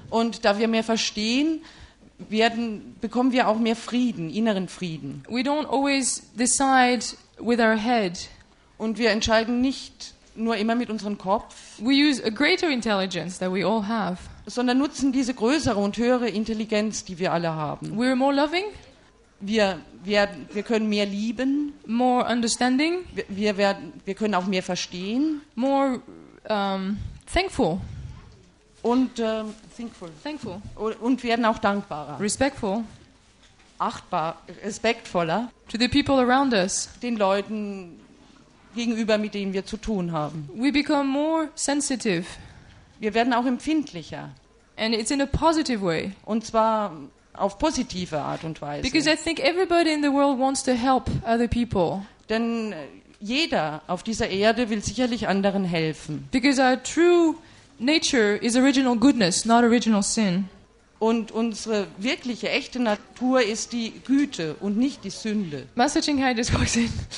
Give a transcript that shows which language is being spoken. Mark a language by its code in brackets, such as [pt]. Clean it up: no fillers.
[de] Und da wir mehr verstehen, bekommen wir auch mehr Frieden, inneren Frieden. [en] We don't always decide with our head. [de] Und wir entscheiden nicht nur immer mit unserem Kopf. [en] We use a greater intelligence that we all have. [de] Sondern nutzen diese größere und höhere Intelligenz, die wir alle haben. [en] We are more loving. [de] Wir können mehr lieben. [en] More understanding. [de] Wir können auch mehr verstehen. [en] More thankful. [de] Und [en] thankful. [de] Und werden auch dankbarer. [en] Respectful. [de] Achtbar, respektvoller. [en] To the people around us. [de] Den Leuten gegenüber, mit denen wir zu tun haben. [en] We become more sensitive. [de] Wir werden auch empfindlicher. [en] And it's in a positive way. [de] Und zwar auf positive Art und Weise. [en] Because I think everybody in the world wants to help other people. [de] Denn jeder auf dieser Erde will sicherlich anderen helfen. [en] Because our true nature is original goodness, not original sin. [de] Und unsere wirkliche, echte Natur ist die Güte und nicht die Sünde. [en] Master Qinghai just walks in.